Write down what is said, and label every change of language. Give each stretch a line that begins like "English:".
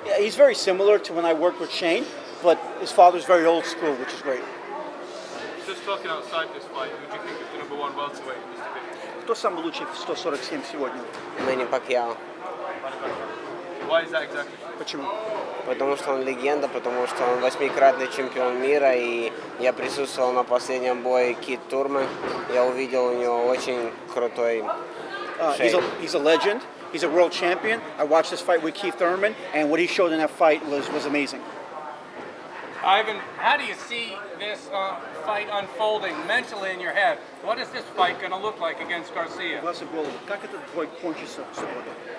English: He's very similar to when I worked with Shane, but his father's very old school, which is great. Just talking outside this fight, who do you think is the number one welterweight in this division?
Russian: Кто самый лучший в 147 сегодня? Мэнни Пакьяо.
English: Why is that exactly?
Russian: Почему? Потому что он легенда, потому что он восьмикратный чемпион мира, и я присутствовал на последнем бое Кит Турман. Я увидел у него очень крутой
English: He's a legend. He's a world champion. I watched this fight with Keith Thurman, and what he showed in that fight was amazing. Ivan, how do you see this fight unfolding mentally in your head? What is this fight going to look like against Garcia? Blessed will.
Russian: Как этот бой кончится сегодня?